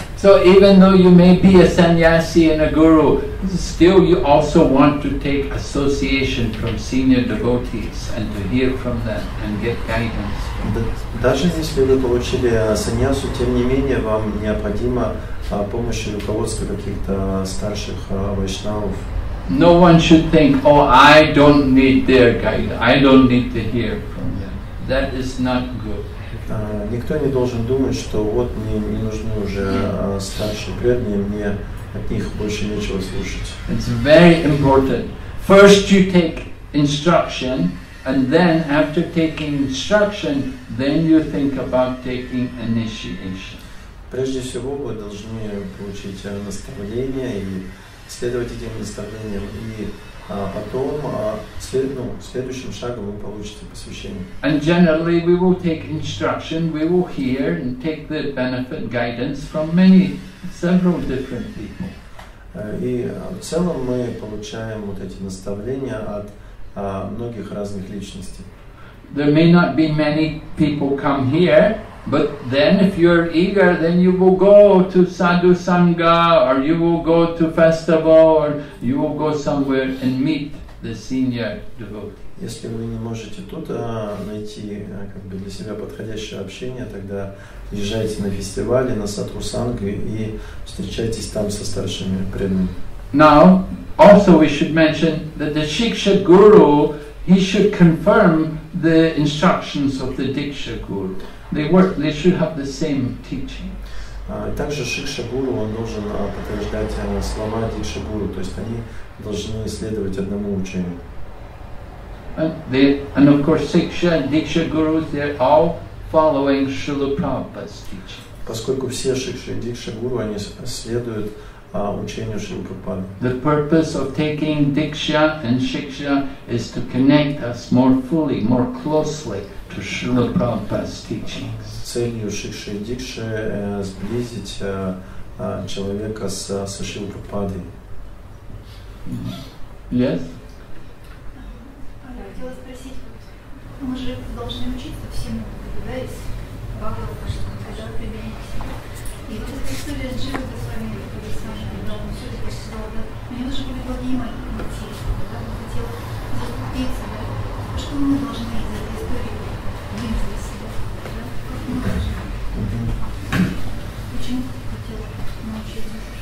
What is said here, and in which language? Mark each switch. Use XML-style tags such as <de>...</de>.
<en>So even though you may be a sannyasi and a guru, still you also want to take association from senior devotees and to hear from them and get guidance.</en> <ru>Даже если вы получили саньясу, тем не менее вам необходимо помощи руководства каких-то старших вайшнавов.</ru> <en>No one should think, I don't need their guide. I don't need to hear from them. That is not good.</en> <ru>Никто не должен думать, что мне не нужны уже старшие преданные, мне от них больше нечего слушать.</ru> <en>It's very important. First you take instruction, and then after taking instruction, then you think about taking initiation.</en> <ru>Прежде всего, вы должны получить наставление и следовать этим наставлениям. И потом следующим шагом вы получите посвящение.</ru> <en>And generally, we will take instruction, we will hear and take the benefit guidance from several different people.</en> <ru>И в целом мы получаем вот эти наставления от многих разных личностей.</ru> <en>There may not be many people come here, but then if you're eager, then you will go to Sadhu Sangha, or you will go to festival, or you will go somewhere and meet the senior devotee.</en> <ru>Если вы не можете тут найти для себя подходящее общение, тогда езжайте на фестивали, на Sadhu Sangha, и встречайтесь там со старшими преданными.</ru> <en>Now, also we should mention that the Shiksha Guru, he should confirm the instructions of the Diksha Guru. They work. They should have the same teaching.</en> <ru>Также Шикша Гуру должен подтверждать слова Дикша Гуру, то есть они должны следовать одному учению.</ru> <en>And of course, Шикша and Дикша Гурус, they're all following Шрилы Прабхупады's teaching.</en> <ru>Поскольку все Шикша и Дикша Гуру, они следуют учению Шрилы Прабхупады.</ru> <en>The purpose of taking Diksha and Shiksha is to connect us more fully, more closely to Srila Prabhupada's teachings.</en> <ru>Целью Шикши и Дикши сблизить человека со Шрилой Прабхупадой.</ru> <en>Yes?</en> <ru>Я хотела спросить, мы же должны учиться всему, да, из Бхагавата, что когда вы применяете себя. И вот это история с Джива Госвами, которая с вами, да, он все-таки сказал, да, мне нужно было внимание найти, да, хотела закупиться, да, что мы должны из этой истории вынести из себя, да, как мы должны. Почему хотела научиться?</ru>